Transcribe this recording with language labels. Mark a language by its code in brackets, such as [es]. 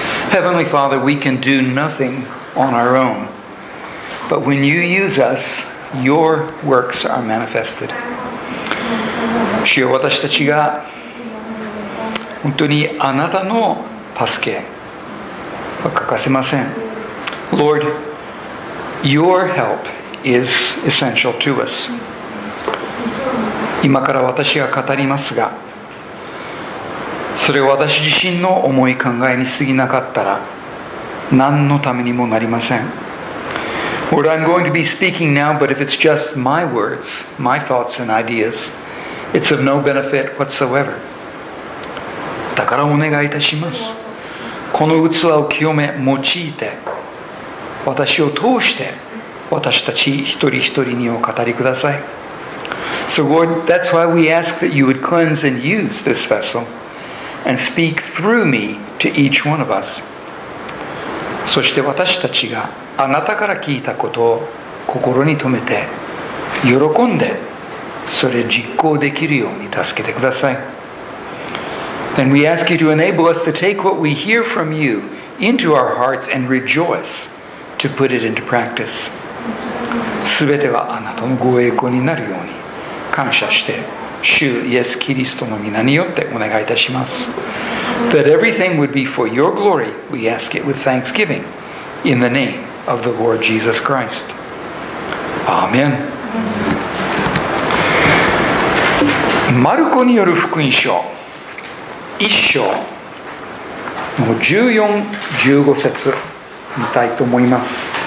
[en] Heavenly Father, we can do nothing on our own, but when you use us, your works are manifested. [ja] 主よ、私たちが本当にあなたの助けは欠かせません。 [en] Lord, your help is essential to us. [ja] 今から私が語りますが、それは私自身の思い考えに過ぎなかったら、何のためにもなりません。 [en] Lord, I'm going to be speaking now, but if it's just my words, my thoughts and ideas, it's of no benefit whatsoever. [ja] だからお願いいたします。この器を清め、用いて、私を通して、私たち一人一人にお語りください。 [en] So Lord, that's why we ask that you would cleanse and use this vessel and speak through me to each one of us. [ja] そして私たちがあなたから聞いたことを心に留めて、喜んで、それ実行できるように助けてください。 [en] Then we ask you to enable us to take what we hear from you into our hearts and rejoice to put it into practice. [ja] すべてはあなたのご栄光になるように感謝して、主イエスキリストの皆によってお願いいたします。 [en] That everything would be for your glory, we ask it with thanksgiving in the name of the Lord Jesus Christ. Amen. [ja] マルコによる福音書1章の14-15節見たいと思います。